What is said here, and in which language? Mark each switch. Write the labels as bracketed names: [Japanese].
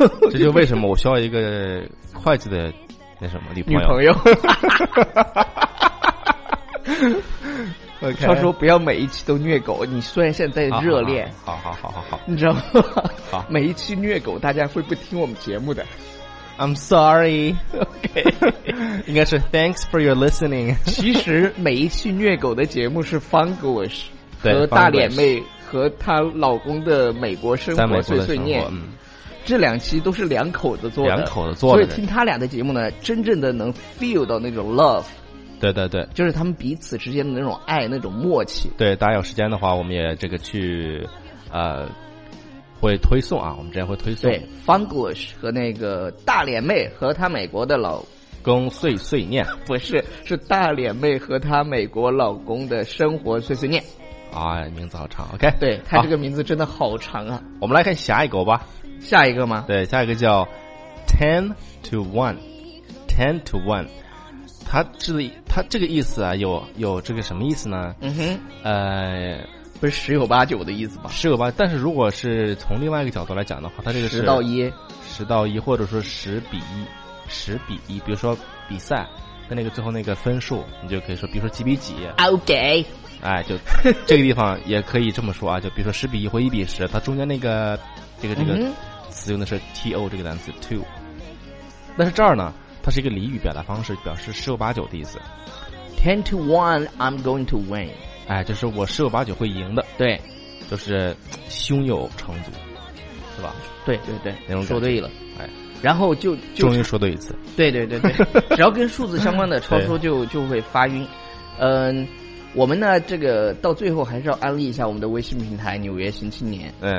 [Chinese] 这就为什么我需要一个会计的那什么女朋友。 Okay， 他说不要每一期都虐狗，你虽然现在在热恋，好，你知道吗？好，每一期虐狗大家会不听我们节目的。 [English] I'm sorry。 OK， [Chinese] 应该是 [English] thanks for your listening。 [Chinese] 其实每一期虐狗的节目是 Funglish 和大脸妹和她老公的美国生活碎碎念，这两期都是两口子做的，所以听他俩的节目呢，真正的能 feel 到那种 love。对对对，就是他们彼此之间的那种爱，那种默契。对，大家有时间的话，我们也这个去，会推送啊，我们之间会推送。对 ，Funglish 和那个大脸妹和她美国的老公碎碎念，不是，是大脸妹和她美国老公的生活碎碎念。啊，名字好长 ，OK。对，他这个名字真的好长啊。我们来看下一个吧。下一个吗？对，下一个叫 [English] Ten to One，Ten to One。 [Chinese] 他这个意思啊，有这个什么意思呢？嗯哼，不是十有八九的意思吧？十有八，但是如果是从另外一个角度来讲的话，他这个是十到一，或者说十比一，比如说比赛跟那个最后那个分数，你就可以说，比如说几比几 [English] ？OK， [Chinese] 哎，就这个地方也可以这么说啊，就比如说十比一或一比十，它中间那个这个词用的是 to 这个单词 to， 但是这儿呢？它是一个俚语表达方式，表示十有八九的意思。 [English] Ten to one, I'm going to win。 [Chinese] 哎，就是我十有八九会赢的。对，就是胸有成竹，是吧？对对对，那种说对了。哎，然后就终于说对一次。对对对对，只要跟数字相关的，超出就会发晕。嗯，我们呢，这个到最后还是要安利一下我们的微信平台《纽约新青年》。